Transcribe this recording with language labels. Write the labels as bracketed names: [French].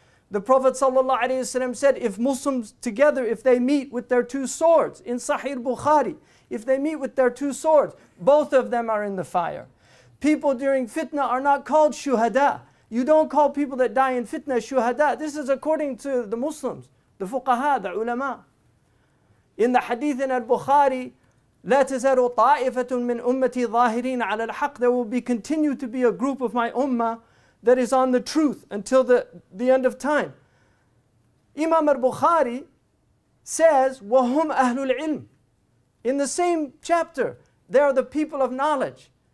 [English] The Prophet ﷺ said, if Muslims together, if they meet with their two swords, in Sahih Bukhari, if they meet with their two swords, both of them are in the fire. People during fitna are not called shuhada. You don't call people that die in fitna shuhada. This is according to the Muslims, the fuqaha, the ulama. In the hadith in al-Bukhari, [Arabic] لَا تَزَرُ طَائِفَةٌ مِّنْ أُمَّتِي ظَاهِرِينَ عَلَى الْحَقِّ. [English] There will be continue to be a group of my ummah that is on the truth until the end of time. Imam al-Bukhari says, [Arabic] وَهُمْ أَهْلُ الْعِلْمِ. [English] In the same chapter, they are the people of knowledge.